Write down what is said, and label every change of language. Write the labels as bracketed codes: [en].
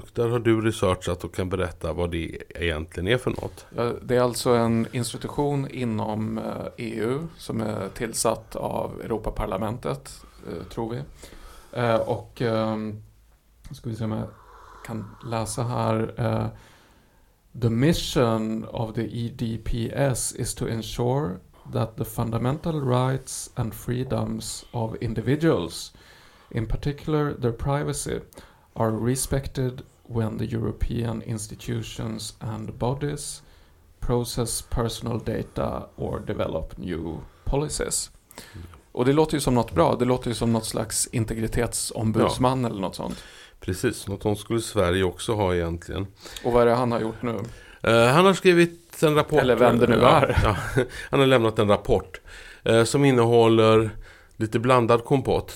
[sv] Och där har du researchat och kan berätta vad det egentligen är för något. Det är alltså en institution inom EU som är tillsatt av Europaparlamentet, tror vi. Och ska vi se om jag kan läsa här. [en] The mission of the EDPS is to ensure that the fundamental rights and freedoms of individuals, in particular their privacy, are respected when the European institutions and bodies process personal data or develop new policies. [sv] Och det låter ju som något bra. Det låter ju som något slags integritetsombudsman, ja, eller något sånt. Precis, något som skulle Sverige också ha egentligen. Och vad är det han har gjort nu? Han har skrivit en rapport. Eller vem det nu är. Ja, han har lämnat en rapport som innehåller lite blandad kompott.